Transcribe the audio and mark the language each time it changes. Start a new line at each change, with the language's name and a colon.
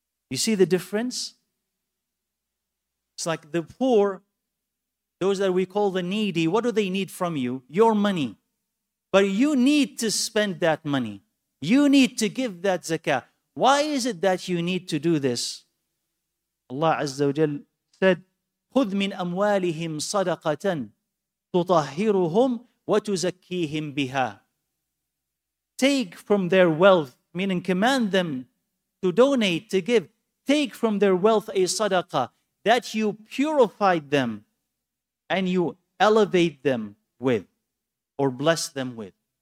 English: You see the difference? It's like the poor, those that we call the needy, what do they need from you? Your money. But you need to spend that money. You need to give that zakah. Why is it that you need to do this? Allah Azza wa Jal said,
Arabic: خُذْ مِنْ أَمْوَالِهِمْ صَدَقَةً تُطَهِّرُهُمْ وَتُزَكِّيهِمْ بِهَا.
English: Take from their wealth, meaning command them to donate, to give. Take from their wealth a sadaqah that you purified them and you elevate them with. Or bless them with.